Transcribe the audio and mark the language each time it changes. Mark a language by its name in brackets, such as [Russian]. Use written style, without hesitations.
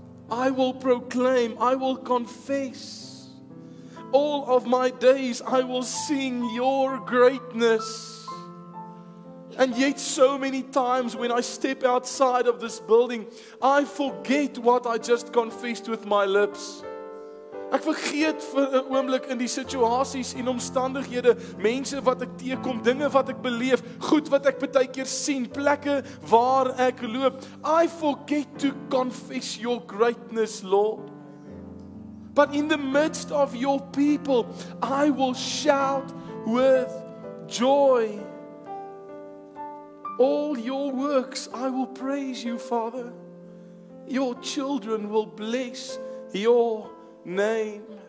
[English] I will proclaim, I will confess. All of my days, I will sing your greatness. And yet so many times when I step outside of this building, I forget what I just confessed with my lips. [Afrikaans] Ek vergeet vir 'n oomblik in die situasies en omstandighede, mense wat ek teekom, dinge wat ek beleef, goed wat ek partykeer sien, plekke waar ek loop. [English] I forget to confess your greatness, Lord. But in the midst of your people, I will shout with joy. All your works, I will praise you, Father. Your children will bless your name.